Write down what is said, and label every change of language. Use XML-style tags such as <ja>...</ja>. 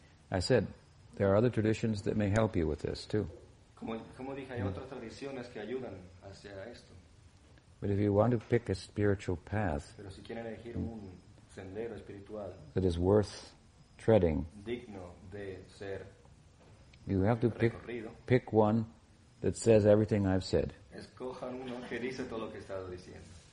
<en>I said, there are other traditions that may help you with this too.</en> <es>Como dije, hay otras tradiciones que ayudan hacia esto.</es> <en>But if you want to pick a spiritual path,</en> <es>pero si quieren elegir un sendero espiritual,</es> <en>that is worth treading,</en> <es>digno de ser,</es> <en>you have to pick one that says everything I've said.</en> <es>Escojan uno que dice todo lo que he estado diciendo.</es>